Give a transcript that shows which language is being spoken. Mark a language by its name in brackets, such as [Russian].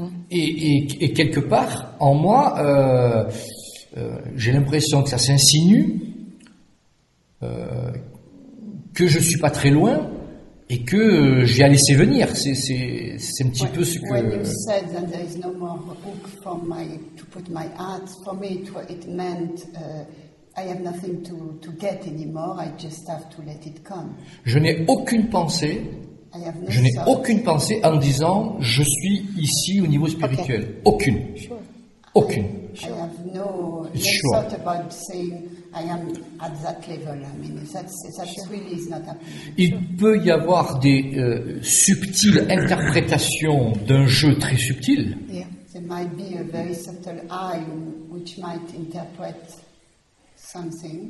[French] Et quelque part en moi, j'ai l'impression que ça s'insinue. Que je suis pas très loin et que j'ai à laisser venir. C'est un petit peu ce que. [English] When you said that there is no more hook for my to put my heart, for me it meant I have nothing to get anymore. I just have to let it come. [French] Je n'ai aucune pensée. [English] I have no [French] je n'ai aucune pensée en disant je suis ici au niveau spirituel. Okay. Aucune. Sure. Aucune. [English] Sure. I have no thought about saying. I am at that level. I mean, that's really is not happening. [French] Il peut y avoir des subtiles interprétations d'un jeu très subtil. [English] Yeah, there might be a very subtle eye which might interpret something.